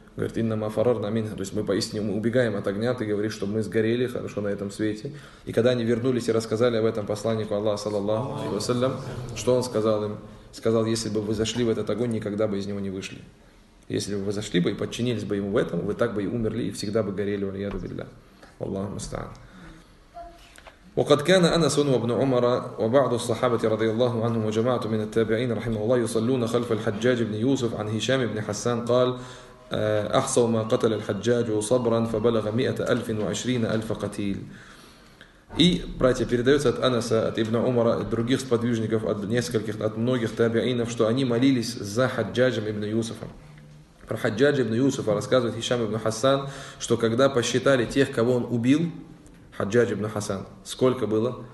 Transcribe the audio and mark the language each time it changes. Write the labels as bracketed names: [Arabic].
[Russian] Говорит, [Arabic] инна мафарар на минха, [Russian] то есть мы поистине убегаем от огня, ты говоришь, что мы сгорели, хорошо, на этом свете. И когда они вернулись и рассказали об этом посланнику Аллаха, саллаллаху алейхи ва саллям, что он сказал им? Сказал, если бы вы зашли в этот огонь, никогда бы из него не вышли. Если бы вы зашли бы и подчинились бы ему в этом, вы так бы и умерли, и всегда бы горели, валияду билля. [Arabic] Аллаху мустаан. وقد كان أنس وابن عمر وبعض الصحابة رضي الله عنهم وجماعة من التابعين رحمه الله يصلون خلف الحجاج بن يوسف عن هشام بن حسان قال أحصوا ما قتل الحجاج صبرا فبلغ 120,000 قتيل. [Russian] И братья передаются от Анаса, от Ибн Умара, от других сподвижников, от нескольких, от многих табиинов, что они молились за Хаджаджем ибн Юсуфом. Про Хаджаджа ибн Юсуфа рассказывает Хишам ибн Хасан, что когда посчитали тех, кого он убил, Хаджадж ибн Хасан, сколько было?